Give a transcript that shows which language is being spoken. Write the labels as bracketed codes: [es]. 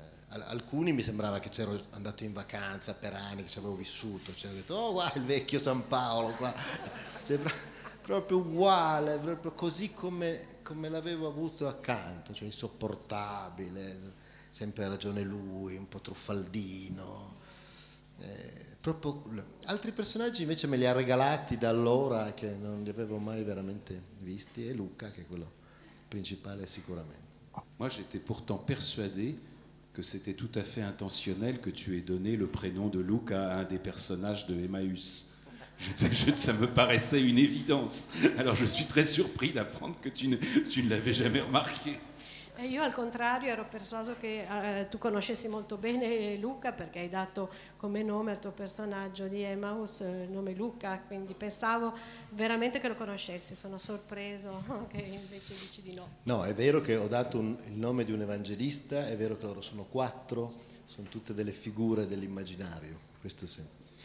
[it] Alcuni mi sembrava che c'ero andato in vacanza per anni, che ci avevo vissuto, ci avevo detto, oh guarda il vecchio San Paolo qua, cioè, proprio uguale, proprio così come l'avevo avuto accanto, cioè insopportabile, sempre ha ragione lui, un po' truffaldino. Proprio, altri personaggi invece me li ha regalati da allora, che non li avevo mai veramente visti, e Luca, che è quello principale sicuramente. [fr] Moi j'étais pourtant persuadé que c'était tout à fait intentionnel que tu aies donné le prénom de Luca à un des personnages de Emmaüs. Ça me paraissait une évidence. Alors je suis très surpris d'apprendre que tu ne l'avais jamais remarqué. [it] E io al contrario ero persuaso che tu conoscessi molto bene Luca, perché hai dato come nome al tuo personaggio di Emmaus il nome Luca, quindi pensavo veramente che lo conoscessi. Sono sorpreso che invece dici di no. No, è vero che ho dato il nome di un evangelista, è vero che loro sono quattro, sono tutte delle figure dell'immaginario, questo sì.